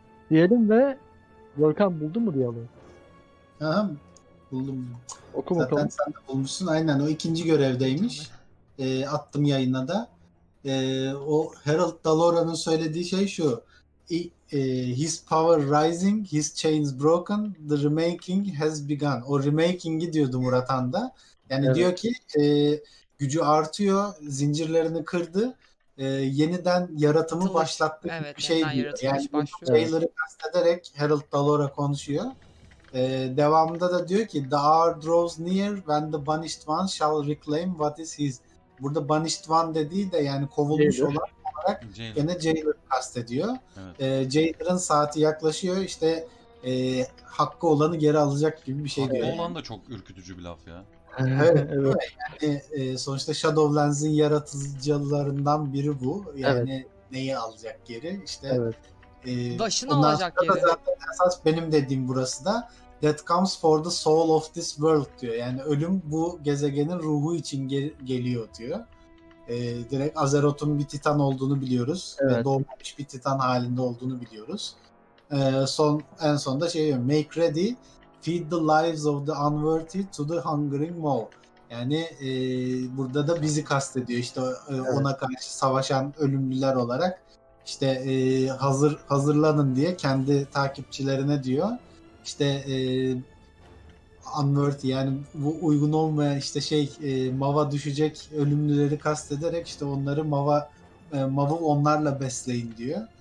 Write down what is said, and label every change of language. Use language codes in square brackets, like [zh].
[tr] Diyelim ve Görkem buldun mu diyalım? Tamam. Buldum. Zaten sen de bulmuşsun. Aynen o ikinci görevdeymiş. Attım yayına da. O Herald Dalora'nın söylediği şey şu. [en] His power rising, his chains broken, the remaking has begun. [tr] O remaking'i diyordu Murat Han'da. Yani evet. Diyor ki gücü artıyor, zincirlerini kırdı. Yeniden yaratımı başlattı. Evet, bir şey diyor. Yani bu şeyleri kastederek Herald Dalora konuşuyor. Devamında da diyor ki [en] The hour draws near when the banished one shall reclaim what is his. [tr] Burada Banished One dediği de yani kovulmuş olan olarak Jailer. Gene Jailer'ı kastediyor. Evet. Jailer'ın saati yaklaşıyor. İşte hakkı olanı geri alacak gibi bir şey diyor. O olan da çok ürkütücü bir laf ya. Evet. Yani, sonuçta Shadowlands'ın yaratıcılarından biri bu. Yani neyi alacak geri? İşte, başını alacak geri. Zaten esas benim dediğim burası da. [en] That comes for the soul of this world [tr] diyor. Yani ölüm bu gezegenin ruhu için geliyor diyor. Direkt Azeroth'un bir titan olduğunu biliyoruz. Evet. Doğmamış bir titan halinde olduğunu biliyoruz. En sonunda şey diyor. [en] Make ready, feed the lives of the unworthy to the hungering maw. [tr] Yani burada da bizi kastediyor. İşte ona karşı savaşan ölümlüler olarak. İşte hazırlanın diye kendi takipçilerine diyor. İşte unworthy yani bu uygun olmayan işte mava düşecek ölümlüleri kastederek işte onları mavı onlarla besleyin diyor.